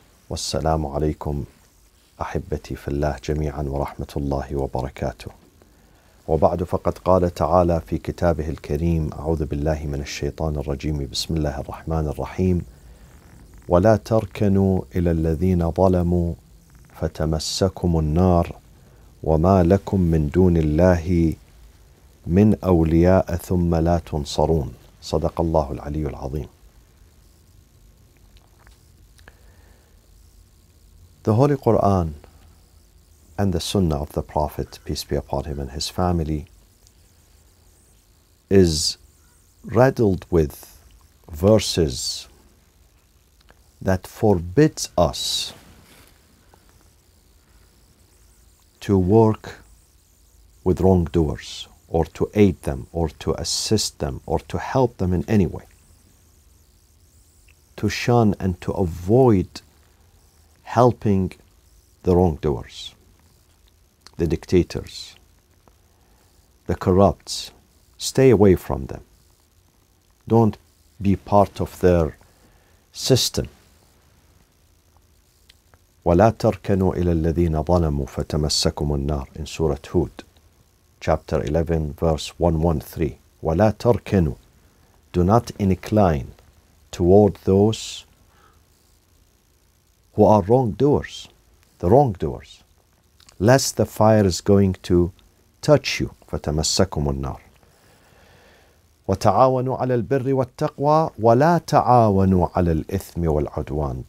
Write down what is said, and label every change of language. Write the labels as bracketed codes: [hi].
[ar] والسلام عليكم أحبتي في الله جميعا ورحمة الله وبركاته وبعد فقد قال تعالى في كتابه الكريم أعوذ بالله من الشيطان الرجيم بسم الله الرحمن الرحيم ولا تركنوا إلى الذين ظلموا فتمسكم النار وما لكم من دون الله من أولياء ثم لا تنصرون صدق الله العلي العظيم. [en] The Holy Quran and the Sunnah of the Prophet, peace be upon him and his family, is riddled with verses that forbids us to work with wrongdoers or to aid them or to assist them or to help them in any way, to shun and to avoid helping the wrongdoers, the dictators, the corrupts. Stay away from them. Don't be part of their system. [ar] وَلَا تَرْكَنُوا إِلَى الَّذِينَ ظَلَمُوا فَتَمَسَّكُمُ النَّارِ [en] in Surah Hud, chapter 11, verse 113. [ar] وَلَا تَرْكَنُوا, [en] do not incline toward those who are wrongdoers, the wrongdoers, lest the fire is going to touch you. [ar] فَتَمَسَّكُمُ النَّارِ وَتَعَاوَنُوا عَلَى الْبِرِّ وَالتَّقْوَى وَلَا تَعَاوَنُوا عَلَى الْإِثْمِ وَالْعُدْوَانِ.